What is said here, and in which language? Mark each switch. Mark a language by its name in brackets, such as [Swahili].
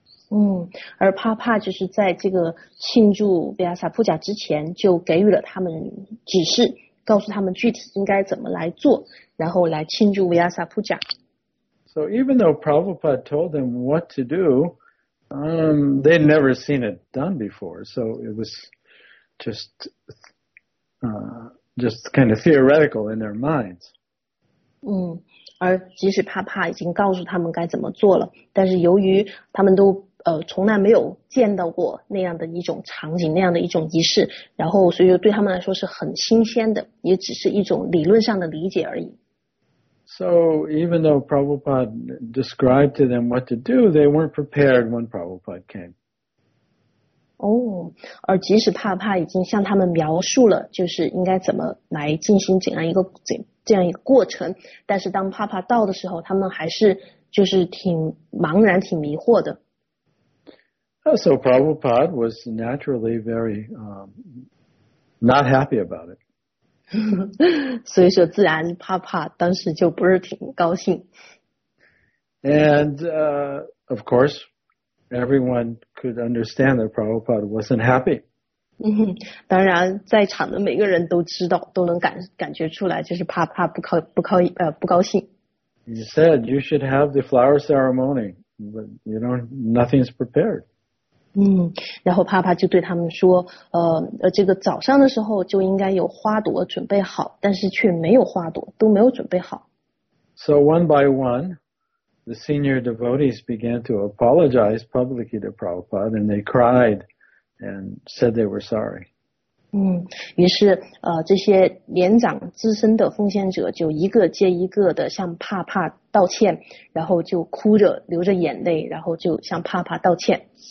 [Chinese] 嗯，而帕帕就是在这个庆祝 Vyas Puja 之前就给予了他们指示，告诉他们具体应该怎么来做，然后来庆祝 Vyas Puja。 [English] So even though Prabhupada told them what to do, they'd never seen it done before. So it was just kind of theoretical in their minds. [Chinese] 嗯，而即使帕帕已经告诉他们该怎么做了，但是由于他们都从来没有见到过那样的一种场景，那样的一种仪式，然后所以对他们来说是很新鲜的，也只是一种理论上的理解而已。 [English] So even though Prabhupada described to them what to do, they weren't prepared when Prabhupada came. [Chinese] 哦，而即使帕帕已经向他们描述了，就是应该怎么来进行这样一个过程，但是当帕帕到的时候，他们还是就是挺茫然、挺迷惑的。 [English] So Prabhupada was naturally very not happy about it. [Chinese] 所以说自然帕帕当时就不是挺高兴。 [English] And of course, everyone could understand that Prabhupada wasn't happy. [Chinese] 当然在场的每个人都知道，都能感觉出来，就是帕帕不高兴。 [English] He said, you should have the flower ceremony, but you know, nothing's prepared. [Chinese] 嗯，然后帕帕就对他们说，这个早上的时候就应该有花朵准备好，但是却没有花朵，都没有准备好。 [English] So one by one, the senior devotees began to apologize publicly to Prabhupada, and they cried and said they were sorry. [Chinese] 嗯，于是这些年长资深的奉献者就一个接一个的向帕帕道歉，然后就哭着流着眼泪，然后就向帕帕道歉。